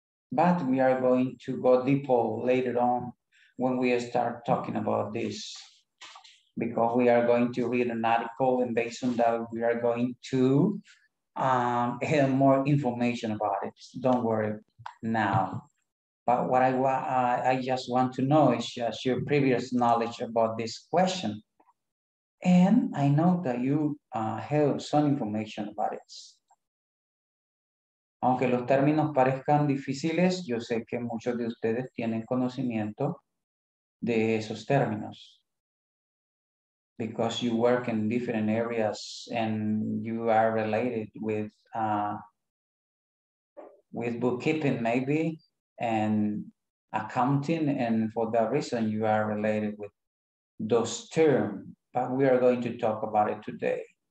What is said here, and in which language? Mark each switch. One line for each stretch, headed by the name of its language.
English: But we are going to go deeper later on when we start talking about this, because we are going to read an article and based on that, we are going to have more information about it. Don't worry now. But what I just want to know is just your previous knowledge about this question. And I know that you have some information about it.
Spanish: Aunque los términos parezcan difíciles, yo sé que muchos de ustedes tienen conocimiento de esos términos.
English: Because you work in different areas and you are related with bookkeeping maybe and accounting, and for that reason you are related with those terms, but we are going to talk about it today.